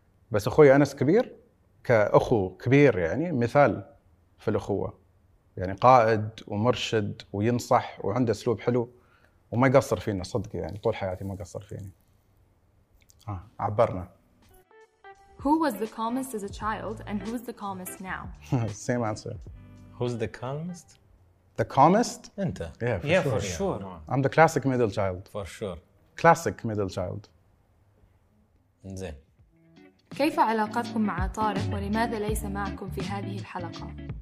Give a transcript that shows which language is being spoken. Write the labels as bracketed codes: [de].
[ar] بس أخوي أنس كبير كأخو كبير يعني مثال في الأخوة يعني قائد ومرشد وينصح وعنده أسلوب حلو وما يقصر فينا صدق يعني طول حياتي ما قصر فيني عبرنا. [en] Who was the calmest as a child and who's the calmest now? Same answer. Who's the calmest? The calmest? [ar] أنت. [en] Yeah, for sure. I'm the classic middle child. For sure. Classic middle child. [ar] إنزين. كيف علاقتكم مع طارق ولماذا ليس معكم في هذه الحلقة؟